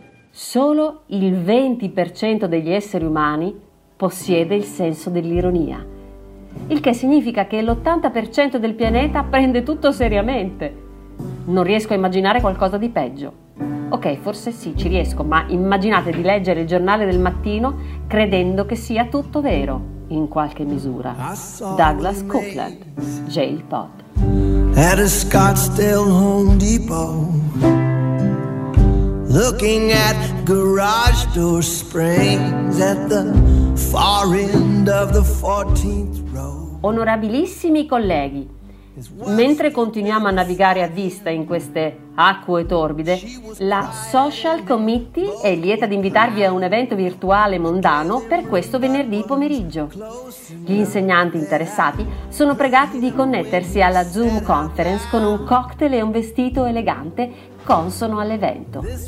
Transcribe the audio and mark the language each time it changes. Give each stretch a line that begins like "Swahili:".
Italian: Solo il 20% degli esseri umani possiede il senso dell'ironia, il che significa che l'80% del pianeta prende tutto seriamente. Non riesco a immaginare qualcosa di peggio. Ok, forse sì, ci riesco, ma immaginate di leggere il giornale del mattino credendo che sia tutto vero, in qualche misura. Douglas Copeland, Jail Pod.
English: At a Scottsdale Home Depot, looking at garage door springs at the far end of the 14th row.
Italian: Onorabilissimi colleghi, mentre continuiamo a navigare a vista in queste acque torbide, la Social Committee è lieta di invitarvi a un evento virtuale mondano per questo venerdì pomeriggio. Gli insegnanti interessati sono pregati di connettersi alla Zoom Conference con un cocktail e un vestito elegante consono all'evento.